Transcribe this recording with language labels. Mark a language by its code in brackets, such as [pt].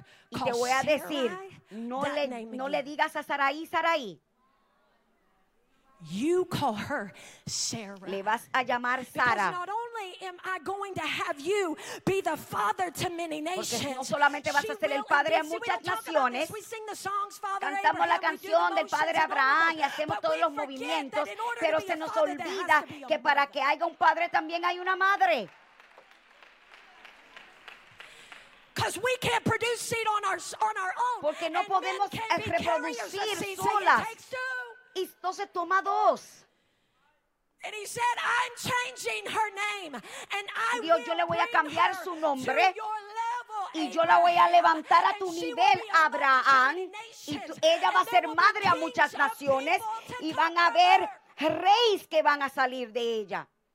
[es] y te voy a decir, no le digas a Sarai, Sarai. [en] You call her Sarah. [es] Le vas a llamar Sara. [en] Because not only am I going to have you be the father to many nations. [es] Porque no solamente vas a ser el padre a muchas naciones. [en] We sing the songs, Father [es] cantamos Abraham, la canción del padre Abraham y hacemos todos los movimientos, pero se nos olvida que para que haya un padre también hay una madre. [en] Because we can't produce seed on our own. [es] Porque no podemos reproducir solas. Y entonces toma dos. [en] And he said, I'm changing her name, and I [es] Dios, [en] will [es] yo le voy a cambiar su nombre [en] level, [es] y yo la voy a levantar a tu nivel, Abraham. Y ella va a ser madre a muchas naciones y van a haber reyes que van a salir de ella.